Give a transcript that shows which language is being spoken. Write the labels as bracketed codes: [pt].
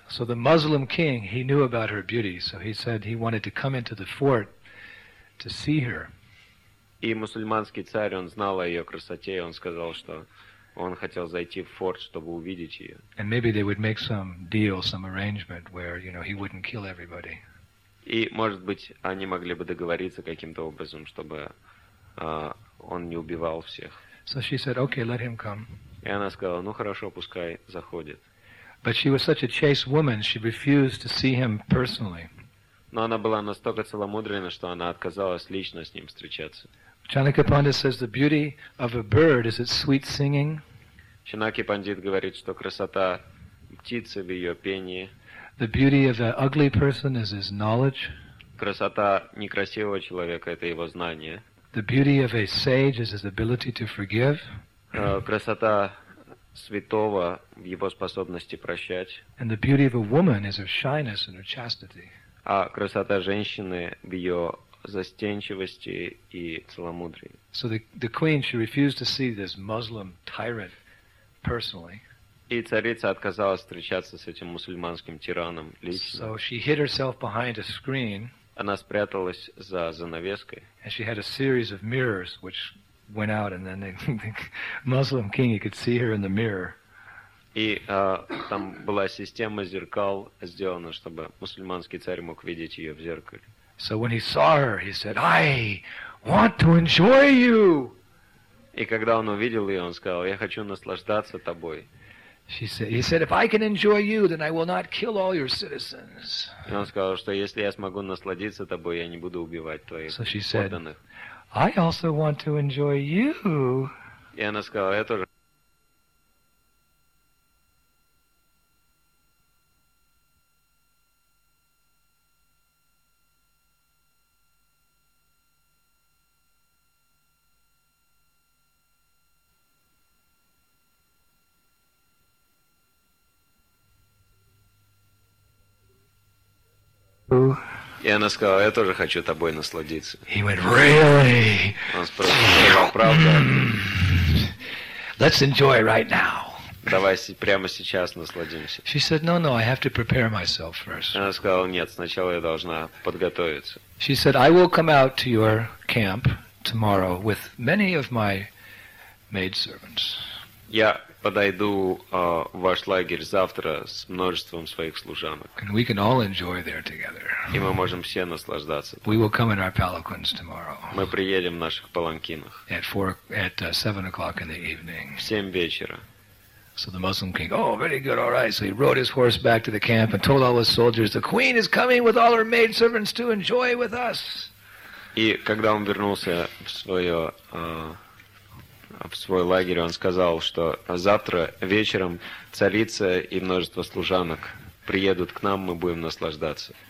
[en] So the Muslim king, he knew about her beauty, so he said he wanted to come into the fort to see her. [ru] И мусульманский царь, он знал о ее красоте, и он сказал, что он хотел зайти в форт, чтобы увидеть ее. [en] And maybe they would make some deal, some arrangement where, you know, he wouldn't kill everybody. [ru] И, может быть, они могли бы договориться каким-то образом, чтобы он не убивал всех. [en] So she said, okay, let him come. [ru] И она сказала, ну хорошо, пускай заходит. [en] But she was such a chaste woman, she refused to see him personally. [ru] Но она была настолько целомудрена, что она отказалась лично с ним встречаться. [en] Chanakya Pandit says the beauty of a bird is its sweet singing. [ru] Chanakya Pandit говорит, что красота птицы в ее пении. [en] The beauty of an ugly person is his knowledge. [ru] Красота некрасивого человека – это его знание. [en] The beauty of a sage is his ability to forgive. [ru] Красота святого в его способности прощать. [en] And the beauty of a woman is her shyness and her chastity. [ru] А красота женщины в ее застенчивости и целомудрии. [en] So the queen, she refused to see this Muslim tyrant personally. [ru] И царица отказалась встречаться с этим мусульманским тираном лично. [en] So she hid herself behind a screen. [ru] Она спряталась за занавеской. [en] And she had a series of mirrors which went out, and then the Muslim king, he could see her in the mirror. [ru] И там была система зеркал сделана, чтобы мусульманский царь мог видеть ее в зеркале. [en] So when he saw her, he said, "I want to enjoy you." [ru] И когда он увидел ее, он сказал, "Я хочу наслаждаться тобой." [en] He said, "If I can enjoy you, then I will not kill all your citizens." [ru] И он сказал, что если я смогу насладиться тобой, я не буду убивать твоих подданных. [en] So she said, "I also want to enjoy you." [ru] И она сказала, я тоже. И она сказала, я тоже хочу тобой насладиться. [en] He went, really? [ru] Он спросил, правда? [en] Let's enjoy right now. [ru] Давай прямо сейчас насладимся. [en] She said, no, I have to prepare myself first. [ru] Она сказала, нет, сначала я должна подготовиться. [en] She said, I will come out to your camp tomorrow with many of my maidservants. [ru] Я подойду в ваш лагерь завтра с множеством своих служанок. [en] And we can all enjoy there together. [ru] И мы можем все наслаждаться. [en] We will come in our palanquins tomorrow. [ru] Мы приедем в наших паланкинах. [en] At 7 o'clock in the evening. [ru] В 7 вечера. [en] So the Muslim king, oh, very good, all right. So he rode his horse back to the camp and told all his soldiers, the queen is coming with all her maidservants to enjoy with us. [ru] И когда он вернулся в свое в свой лагерь, он сказал, что завтра вечером царица и множество служанок приедут к нам, мы будем наслаждаться.